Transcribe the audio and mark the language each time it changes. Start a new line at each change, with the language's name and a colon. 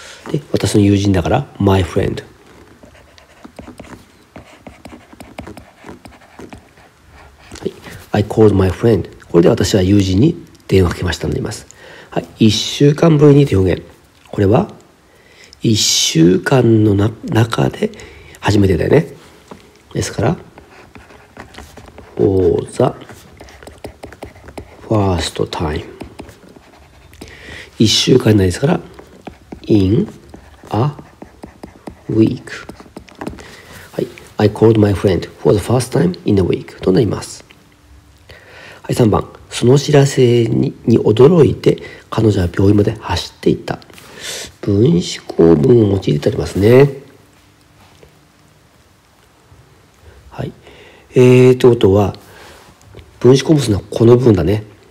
Japanese: で、私の友人だから
English: My friend、
Japanese: はい、
English: I called my friend、
Japanese: これで私は友人に電話かけましたになります。はい、1週間ぶりにという表現、これは1週間の中で初めてだよね。ですから
English: for the first time、
Japanese: 1週間ないですから
English: in a week。
Japanese: はい、
English: I called my friend for the first time in a week
Japanese: となります。はい、3番。その知らせ に驚いて彼女は病院まで走っていった。分子構文を用いてありますね。はい、ということは分子構文はこの部分だね。